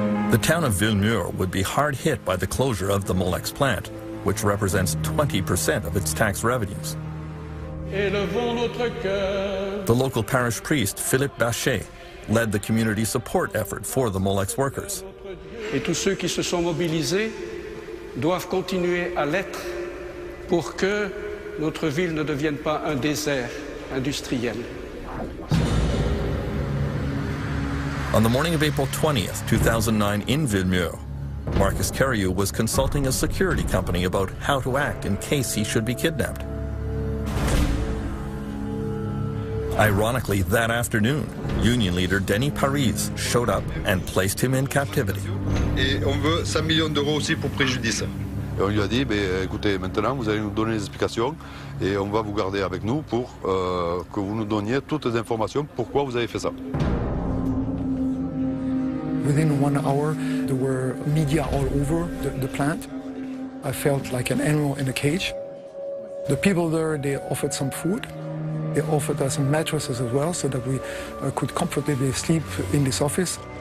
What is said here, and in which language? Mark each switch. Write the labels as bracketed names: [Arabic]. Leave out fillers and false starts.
[English] The town of Villemur would be hard hit by the closure of the Molex plant, which represents 20% of its tax revenues. The local parish priest, Philippe Bachet, led the community support effort for the Molex workers. [French] Et tous ceux qui se sont mobilisés doivent continuer à l'être pour que notre ville ne devienne pas un désert industriel. [English] On the morning of April 20th, 2009, in Villemur, Marcus Carriou was consulting a security company about how to act in case he should be kidnapped. Ironically, that afternoon, union leader Denis Paris showed up and placed him in captivity. [French] Et on veut 5 millions d'euros aussi pour préjudice. Et on lui a dit, bah, écoutez, maintenant vous allez nous donner les explications et on va vous garder avec nous pour que vous nous donniez toutes les informations pourquoi vous avez fait ça. [English] Within 1 hour, there were media all over the plant. I felt like an animal in a cage. The people there, they offered some food. They offered us some mattresses as well, so that we could comfortably sleep in this office.